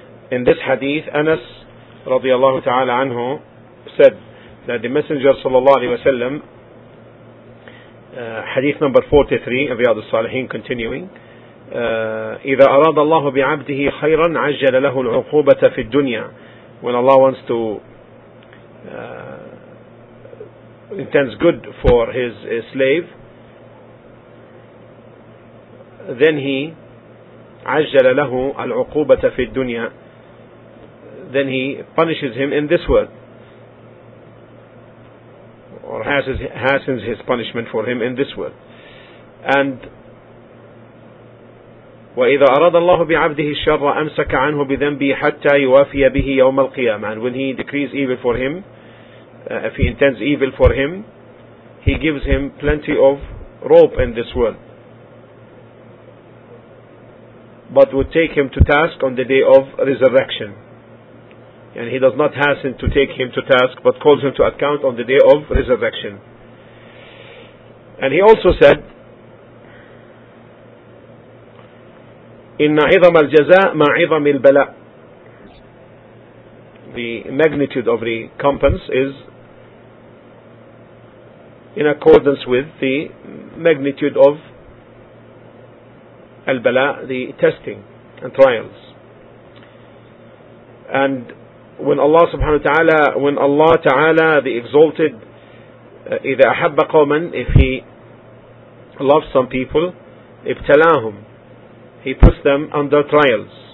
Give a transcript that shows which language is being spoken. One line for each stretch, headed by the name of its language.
English: In this hadith, Anas
Arabic: رضي الله تعالى عنه
English: said that the messenger
Arabic: صلى الله عليه وسلم,
English: hadith number 43 in Riyad al-Salihin continuing,
Arabic: إذا أراد الله بعبده خيرا عجل له العقوبة في الدنيا.
English: When Allah wants to intends good for his slave, then he
Arabic: عجل له العقوبة في الدنيا,
English: then he punishes him in this world, or hastens his punishment for him in this world. And
Arabic: وإذا أراد الله بعبده الشر أمسك عنه بذنبه حتى يوافي به يوم القيامة.
English: And when he decrees evil for him, if he intends evil for him, he gives him plenty of rope in this world, but would take him to task on the day of resurrection. And he does not hasten to take him to task, but calls him to account on the day of resurrection. And he also said,
Arabic: إِنَّ عِظَمَ الْجَزَاءِ مَا عِظَمِ الْبَلَاءِ.
English: The magnitude of the recompense is in accordance with the magnitude of al-bala, the testing and trials. And when Allah subhanahu wa ta'ala, when Allah ta'ala, the exalted,
Arabic: إِذَا أَحَبَّ قَوْمًا,
English: if He loves some people,
Arabic: ابْتَلَاهُمْ,
English: He puts them under trials.